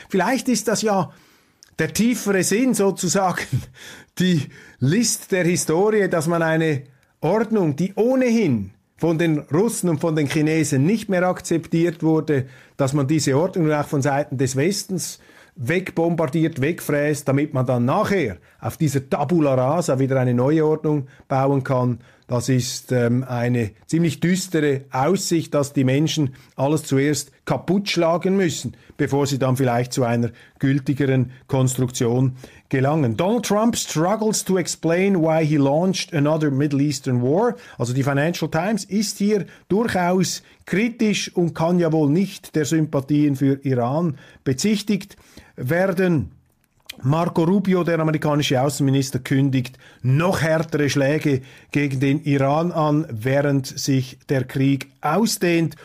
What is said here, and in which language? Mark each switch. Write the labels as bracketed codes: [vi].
[de] Vielleicht ist das ja der tiefere Sinn sozusagen, die List der Historie, dass man eine Ordnung, die ohnehin von den Russen und von den Chinesen nicht mehr akzeptiert wurde, dass man diese Ordnung auch von Seiten des Westens wegbombardiert, wegfräst, damit man dann nachher auf dieser Tabula Rasa wieder eine neue Ordnung bauen kann. Das ist eine ziemlich düstere Aussicht, dass die Menschen alles zuerst kaputt schlagen müssen, bevor sie dann vielleicht zu einer gültigeren Konstruktion gelangen. [en] Donald Trump struggles to explain why he launched another Middle Eastern war. [de] Also die Financial Times ist hier durchaus kritisch und kann ja wohl nicht der Sympathien für Iran bezichtigt werden. Marco Rubio, der amerikanische Außenminister, kündigt noch härtere Schläge gegen den Iran an, während sich der Krieg ausdehnt.